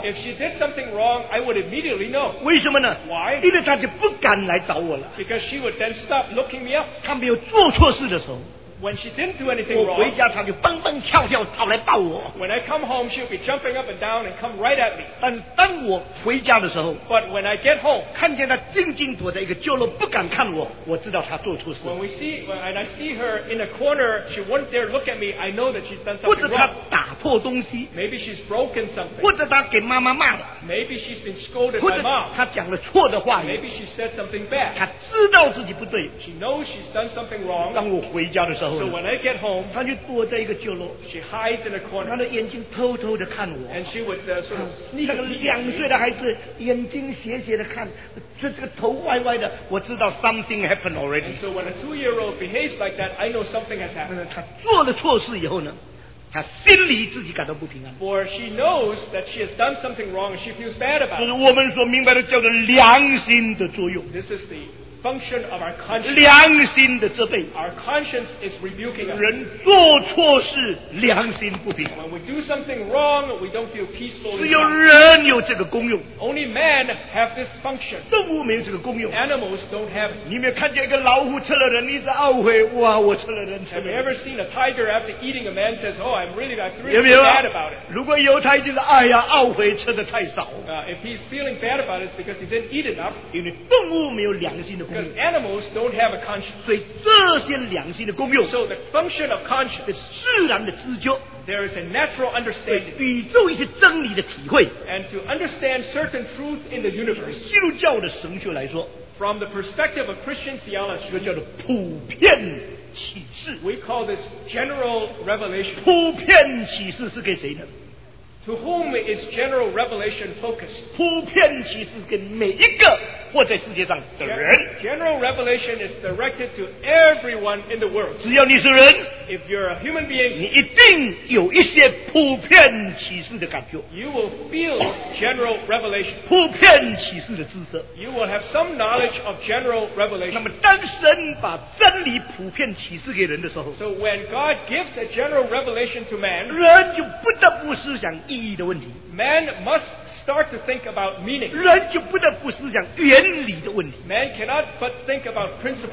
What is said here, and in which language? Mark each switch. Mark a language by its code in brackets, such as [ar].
[en] If she did something wrong, I would immediately know. [zh] 为什么呢 [en] ？Why？ [zh] 因为她就不敢来找我了。 [en] Because she would then stop looking me up. [zh] 她没有做错事的时候。 [en] When she didn't do anything wrong, [zh] 我回家她就蹦蹦跳跳跑来抱我。 [en] When I come home, she'll be jumping up and down and come right at me. [zh] 但当我回家的时候 [en] ，But when I get home, [zh] 看见她静静躲在一个角落不敢看我，我知道她做错事。 [en] When we see and I see her in a corner, she won't dare look at me. I know that she's done something wrong. [zh] 或者她打破东西 [en] ，Maybe she's broken something. [zh] 或者她给妈妈骂了 [en] ，Maybe she's been scolded by mom. [zh] 或者她讲了错的话语 [en] ，Maybe she said something bad. [zh] 她知道自己不对 [en] ，She knows she's done something wrong. [zh] 当我回家的时候。 [en] So when I get home, [zh] 她就躲在一个角落 [en] she hides in a corner. [zh] 她的眼睛偷偷的看我 [en] and she would sort of sneak. [zh] 那个两岁的孩子眼睛斜斜的看，这个头歪歪的，我知道 [en] something happened already. And so when a 2-year-old behaves like that, I know something has happened. [zh] 她做了错事以后呢，她心里自己感到不平安。 [en] For she knows that she has done something wrong, and she feels bad about it. [zh] 这是我们所明白的叫做良心的作用。 [en] This is the function of our conscience. [zh] 良心的责备。 [en] Our conscience is rebuking us. [zh] 人做错事，良心不平。 [en] When we do something wrong, we don't feel peaceful. [zh] 只有人有这个功用。 [en] Only man have this function. [zh] 动物没有这个功用。 [en] Animals don't have. [zh] 你没有看见一个老虎吃了人，你一直懊悔，哇，我吃了人。 [en] Have you ever seen a tiger after eating a man says, "Oh, I'm really that really bad about it"? [zh] 如果有他一定是哎呀懊悔吃的太少。 [en] If he's feeling bad about it, it's because he didn't eat enough. [zh] 因为动物没有良心的功用。 [en] Because animals don't have a conscience. [zh] 所以这些良心的功用。 [en] So the function of conscience is [zh] 自然的知觉。 [en] There is a natural understanding. [zh] 对宇宙一些真理的体会。 [en] And to understand certain truths in the universe. [zh] 基督教的神学来说。 [en] From the perspective of Christian theology. [zh] 这个叫做普遍启示。 [en] We call this general revelation. [zh] 普遍启示是给谁的？ [en] To whom is general revelation focused? [zh] 普遍启示给每一个活在世界上的人。 [en] General revelation is directed to everyone in the world. [zh] 只要你是人， [en] if you're a human being, [zh] 你一定有一些普遍启示的感觉。 [en] You will feel general revelation. [zh] 普遍启示的知识。 [en] You will have some knowledge of general revelation. [zh] 那么当神把真理普遍启示给人的时候， [en] so when God gives a general revelation to man, [zh] 人就不得不思想意义的问题。 [en] Man must start to think about meaning. [zh] 人就不得不思想原理的问题。 Man cannot but think about principles.